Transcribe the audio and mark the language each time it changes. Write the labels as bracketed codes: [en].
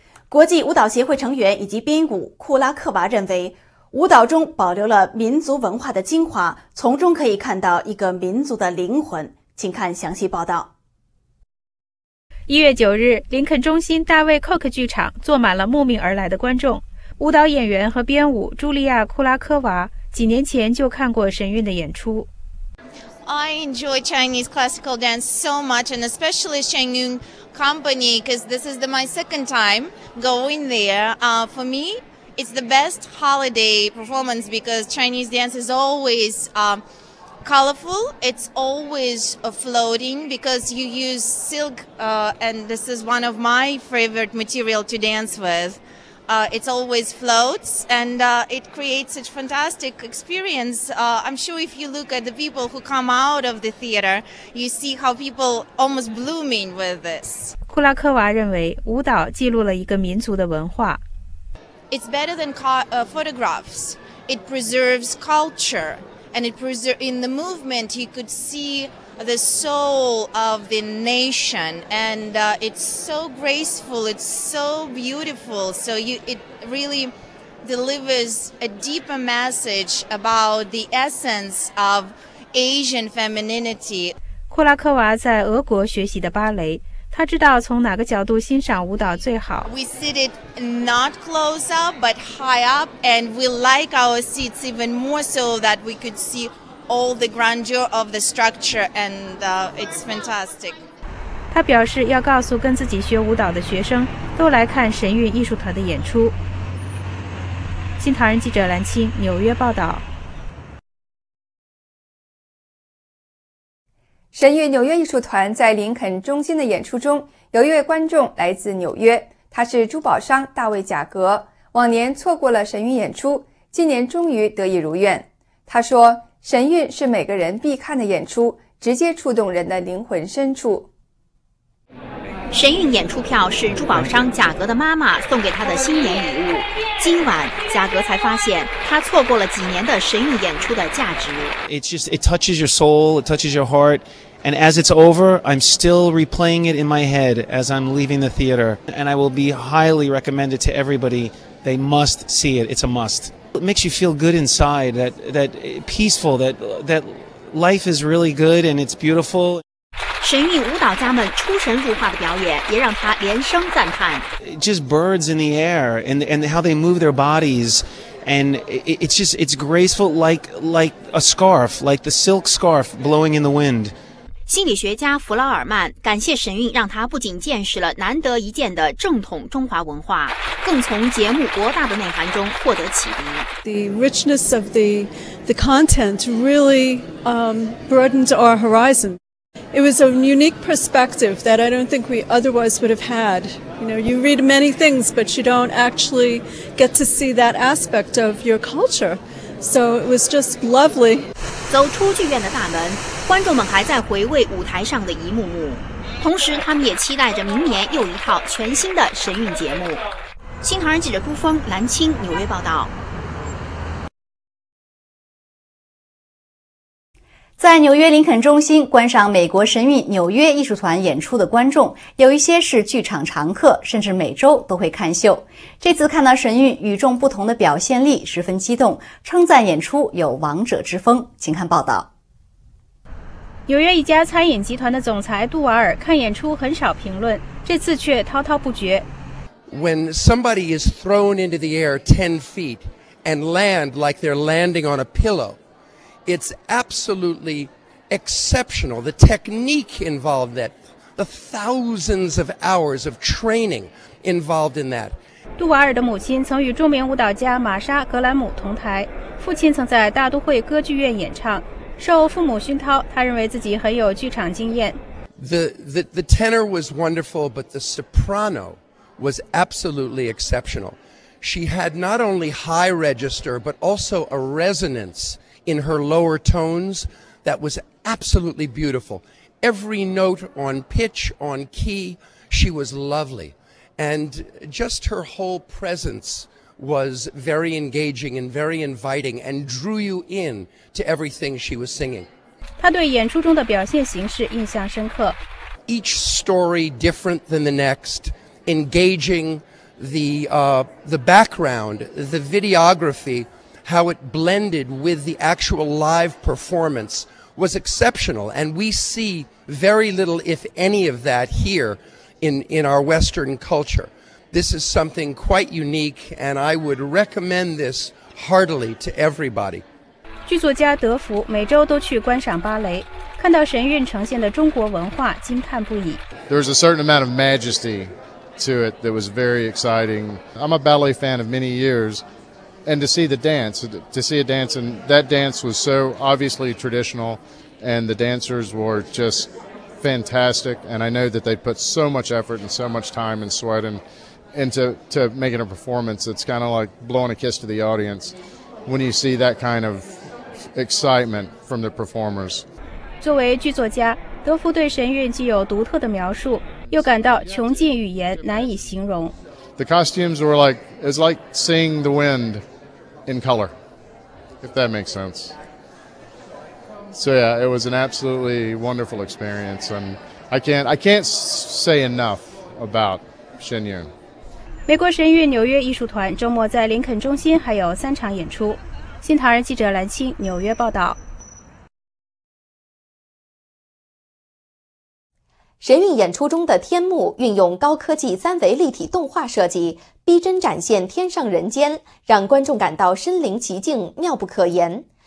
[zh] 国际舞蹈协会成员以及编舞库拉克娃认为，舞蹈中保留了民族文化的精华，从中可以看到一个民族的灵魂。请看详细报道。 1月9日，林肯中心大卫·寇克剧场坐满了慕名而来的观众。舞蹈演员和编舞茱莉亚·库拉科娃几年前就看过神韵的演出。 [en] I enjoy Chinese classical dance so much, and especially Shen Yun Company, because this is my second time going there. For me, it's the best holiday performance because Chinese dance is always colorful. It's always floating because you use silk, and this is one of my favorite material to dance with. It always floats, and it creates such fantastic experience. I'm sure if you look at the people who come out of the theater, you see how people almost blooming with this. [zh] 库拉科娃认为舞蹈记录了一个民族的文化。 [en] It's better than photographs. It preserves culture, and it preserves in the movement. You could see the soul of the nation, and it's so graceful, it's so beautiful. So it really delivers a deeper message about the essence of Asian femininity. [zh] 库拉科娃在俄国学习的芭蕾，她知道从哪个角度欣赏舞蹈最好。 [en] We sit it not close up, but high up, and we like our seats even more so that we could see. All the grandeur of the structure, and it's fantastic. [zh] 他表示要告诉跟自己学舞蹈的学生，都来看神韵艺术团的演出。新唐人记者蓝青，纽约报道。神韵纽约艺术团在林肯中心的演出中，有一位观众来自纽约，他是珠宝商大卫·贾格。往年错过了神韵演出，今年终于得以如愿。他说。神韵是每个人必看的演出，直接触动人的灵魂深处。神韵演出票是珠宝商贾格的妈妈送给他的新年礼物。今晚，贾格才发现他错过了几年的神韵演出的价值。 [en] It touches your soul, it touches your heart, and as it's over, I'm still replaying it in my head as I'm leaving the theater, and I will be highly recommended to everybody. They must see it. It's a must. It makes you feel good inside, that peaceful, that life is really good and it's beautiful. [zh] 神韵舞蹈家们出神入化的表演也让他连声赞叹。 [en] Just birds in the air and how they move their bodies, and it's graceful like a scarf, like the silk scarf blowing in the wind. [zh] 心理学家弗劳尔曼感谢神韵让他不仅见识了难得一见的正统中华文化，更从节目博大的内涵中获得启迪。 [en] The richness of the content really broadened our horizon. It was a unique perspective that I don't think we otherwise would have had. You know, you read many things, but you don't actually get to see that aspect of your culture. So it was just lovely. [zh] 走出剧院的大门，观众们还在回味舞台上的一幕幕，同时他们也期待着明年又一套全新的神韵节目。新唐人记者朱峰、蓝青纽约报道。在纽约林肯中心观赏美国神韵纽约艺术团演出的观众，有一些是剧场常客，甚至每周都会看秀。这次看到神韵与众不同的表现力，十分激动，称赞演出有王者之风。请看报道。纽约一家餐饮集团的总裁杜瓦尔看演出很少评论，这次却滔滔不绝。 [en] When somebody is thrown into the air 10 feet and land like they're landing on a pillow, it's absolutely exceptional. The technique involved that, the thousands of hours of training involved in that. [zh] 杜瓦尔的母亲曾与著名舞蹈家玛莎·格兰姆同台，父亲曾在大都会歌剧院演唱。受父母熏陶，他认为自己很有剧场经验。 [en] The tenor was wonderful, but the soprano was absolutely exceptional. She had not only high register, but also a resonance in her lower tones that was absolutely beautiful. Every note on pitch, on key, she was lovely. And just her whole presence was very engaging and very inviting and drew you in to everything she was singing. [zh] 他对演出中的表现形式印象深刻。 [en] Each story different than the next, engaging the background, the videography, how it blended with the actual live performance was exceptional. And we see very little, if any of that here in our Western culture. This is something quite unique, and I would recommend this heartily to everybody. [zh] 剧作家德福每周都去观赏芭蕾，看到神韵呈现的中国文化，惊叹不已。 [en] There was a certain amount of majesty to it that was very exciting. I'm a ballet fan of many years, and to see the dance, to see a dance, and that dance was so obviously traditional, and the dancers were just fantastic, and I know that they put so much effort and so much time and sweat and to making a performance, it's kind of like blowing a kiss to the audience when you see that kind of excitement from the performers. [zh] 作为剧作家，德福对神韵既有独特的描述，又感到穷尽语言难以形容。 [en] The costumes were like, it's like seeing the wind in color, if that makes sense. So yeah, it was an absolutely wonderful experience, and I can't say enough about Shen Yun. [zh] 美国神韵纽约艺术团周末在林肯中心还有三场演出。新唐人记者蓝青纽约报道。神韵演出中的天幕运用高科技三维立体动画设计，逼真展现天上人间，让观众感到身临其境，妙不可言。